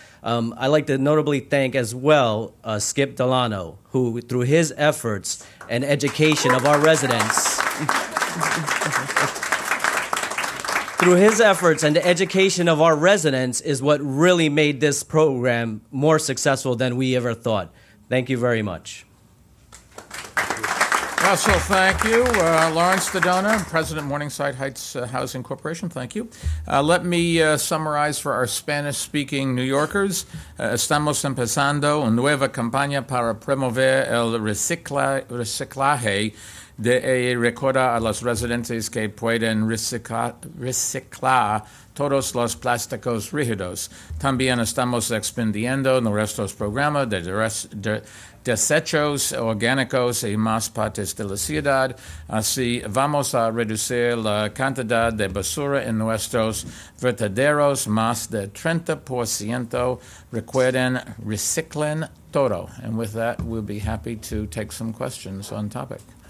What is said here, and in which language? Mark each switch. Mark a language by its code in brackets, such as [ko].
[en] I'd like to notably thank as well Skip Delano, who through his efforts and education of our residents, is what really made this program more successful than we ever thought. Thank you very much. Russell, thank you. Lawrence Diodona, President of Morningside Heights Housing Corporation, thank you. Let me summarize for our Spanish-speaking New Yorkers. [es] Estamos empezando una nueva campaña para promover el reciclaje de recordar a los residentes que pueden reciclar todos los plásticos rígidos. También estamos expandiendo nuestros programas de desechos orgánicos y más partes de la ciudad. Así vamos a reducir la cantidad de basura en nuestros vertederos más de 30%. Recuerden, reciclen todo. [en] And with that, we'll be happy to take some questions on topic.